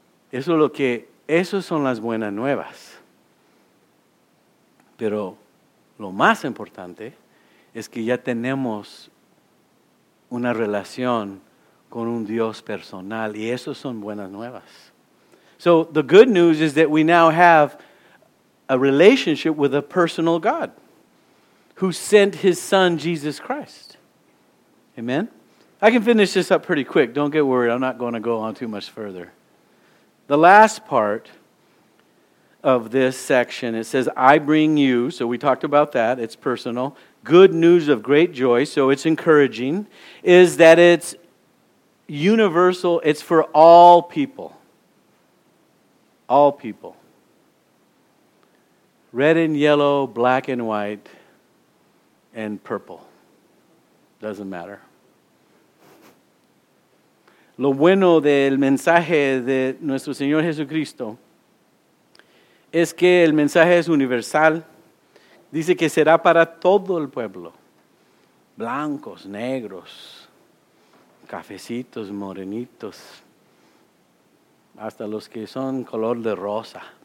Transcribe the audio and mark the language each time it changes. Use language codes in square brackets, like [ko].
[es] Esas son las buenas nuevas. Pero lo más importante es que ya tenemos una relación con un Dios personal y eso son buenas nuevas. [en] So the good news is that we now have a relationship with a personal God who sent His Son, Jesus Christ. Amen? I can finish this up pretty quick. Don't get worried. I'm not going to go on too much further. The last part of this section, it says, I bring you, so we talked about that, it's personal, good news of great joy, so it's encouraging, is that it's universal, it's for all people. All people. Red and yellow, black and white, and purple. Doesn't matter. [es] Lo bueno del mensaje de nuestro Señor Jesucristo es que el mensaje es universal. Dice que será para todo el pueblo. Blancos, negros, cafecitos, morenitos, hasta los que son color de rosa.